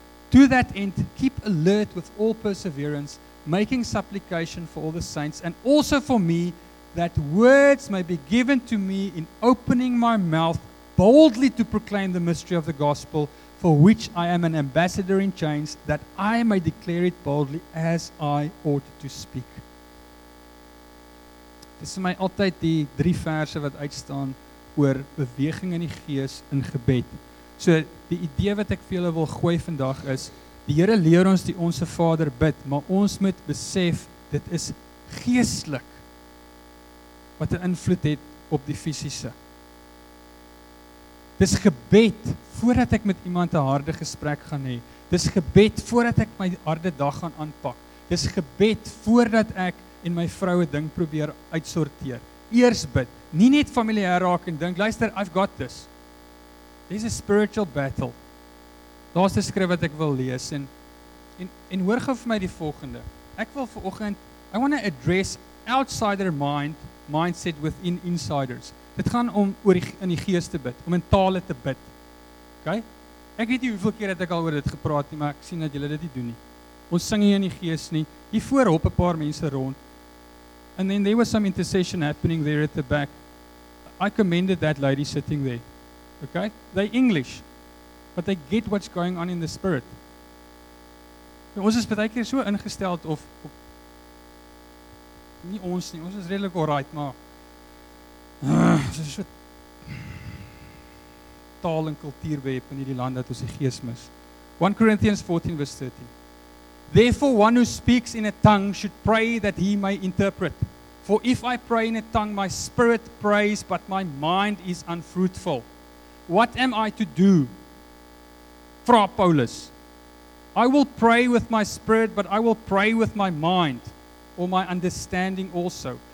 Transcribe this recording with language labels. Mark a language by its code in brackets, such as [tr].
[en] To that end, keep alert with all perseverance, making supplication for all the saints, and also for me, that words may be given to me in opening my mouth boldly to proclaim the mystery of the gospel, for which I am an ambassador in chains, that I may declare it boldly as I ought to speak. [af] Dis is my altyd die drie verse wat uitstaan oor beweging in die gees in gebed. So die idee wat ek vir julle wil gooi vandag is, die Here leer ons die Onse Vader bid, maar ons moet besef, dit is geestelik wat 'n invloed het op die fisiese. Dis gebed voordat ek met iemand 'n harde gesprek gaan hê. Dis gebed voordat ek my harde dag gaan aanpak. Dis gebed voordat ek en my vrou 'n ding probeer uitsorteer. Eers bid, nie net familier raak en dink, luister, [en] I've got this. [af] Dis 'n spiritual battle. Laaste skrif wat ek wil lees en hoor gou vir my die volgende. Ek wil vanoggend, [en] I want to address outsider mindset within insiders. [af] Dit gaan om oor in die gees te bid, om in tale te bid. Okay? Ek weet nie hoeveel keer het ek al oor dit gepraat nie, maar ek sien dat julle dit nie doen nie. Ons sing hier in die gees nie. Hier voor hop 'n paar mense rond. [en] And then there was some intercession happening there at the back. I commended that lady sitting there. Okay? They're English. But they get what's going on in the spirit. [af] Ons is baie keer so ingesteld of nie ons nie. Ons is redelik alright, maar so taal en kultuur beheb in hierdie land dat ons die gees mis. [en] 1 Corinthians 14 verse 13. Therefore one who speaks in a tongue should pray that he may interpret. For if I pray in a tongue, my spirit prays, but my mind is unfruitful. What am I to do? [af] Vra Paulus. [en] I will pray with my spirit, but I will pray with my mind or my understanding also.